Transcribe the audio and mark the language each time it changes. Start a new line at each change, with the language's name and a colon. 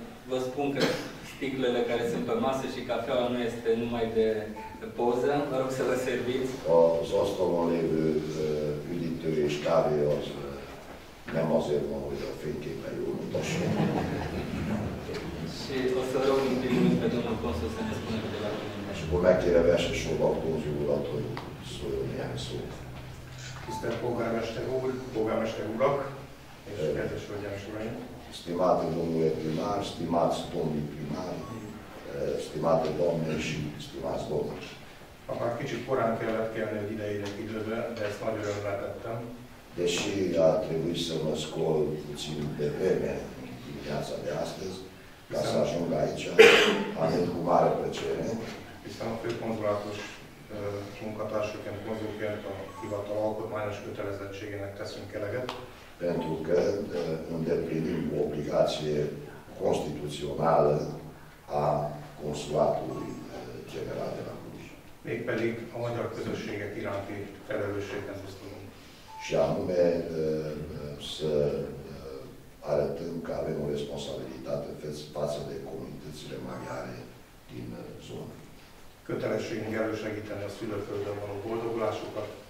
Romanian: Vă spun că sticlele care sunt pe masă și cafeaua nu este numai de poză. Vă rog să vă serviți.
Hungarian: Az asztalon lévő üdítő és kávé az nem azért van, hogy a fényképen jól mutasson.
Romanian: Și o să rog un primul pe domnul consul să ne spună de la mine.
Hungarian: És akkor megkérem elsősorban a konzulat, hogy szóljon néhány szót. Tisztelt polgármester úr, polgármester urak és kedves hölgyes uraim.
Romanian: Stimate domnule primar, stimați domnii primari, stimate doamne și stimați domnii.
Hungarian: Am kicsit korán kellett kelni egy ideire időbe, de ezt nagy örömmel tettem.
Romanian: Deși a trebuit să mă scol puțin de vreme dimineața de astăzi, ca să ajung aici, am venit cu mare plăcere.
Hungarian: Hiszen a főkonzulátus munkatársaként, konzulként a hivatal alkotmányos kötelezettségének teszünk eleget.
Romanian: Pentru că îndeplinim o obligație constituțională a Consulatului General de la Cluj.
Hungarian: Mégpedig a magyar közösségek iránti felelősséghez osztunk.
Romanian: Și anume să arătăm că avem o responsabilitate față de comunitățile maghiare din zonă.
Hungarian: Kötelességünk elősegíteni a szülőföldön való boldogulásukat.